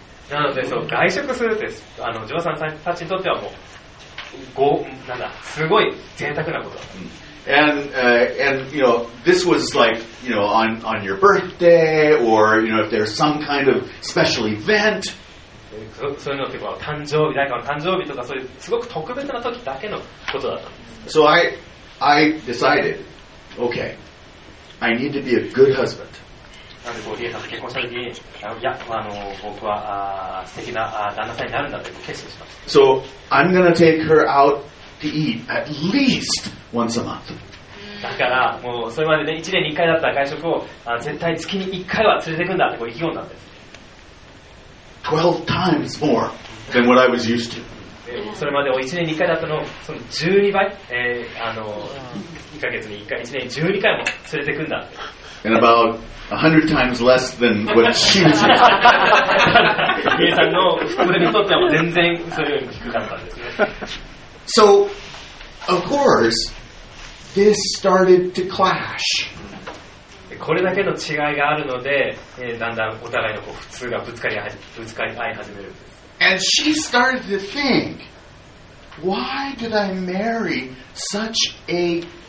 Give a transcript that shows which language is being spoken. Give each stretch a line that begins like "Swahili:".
Japanese: なのでそう外食するってあのジョナサンたちにとってはもうごなんだすごい贅沢なこと。
English: And and you know this was like you know on your birthday or you know if there's some kind of special event。
Japanese: そういうのってこう誕生日誰かの誕生日とかそういうすごく特別な時だけのことだったんです。
English: So I decided, okay, I need to be a good husband.
Japanese: なんでこうリエさんと結婚した時にあのいや、あの僕はあ素敵なあ旦那さんになるんだと決心しました。
English: So I'm gonna take her out to eat at least once a month.
Japanese: だからもうそれまでね1年に1回だった外食をあ絶対月に1回は連れてくんだってこう意気込んだんです。
English: 12 times more than what I was used to.
Japanese: それまでも1年に1回だったのをその12倍、あの1ヶ月に1回1年に12回も連れてくんだって。
English: And about 100 times less than what she was using. So, of course, this started to clash.
Japanese: これだけの違いがあるので、だんだんお互いのこう普通がぶつかり合い始める。
English: And she started to think, why did I marry such a...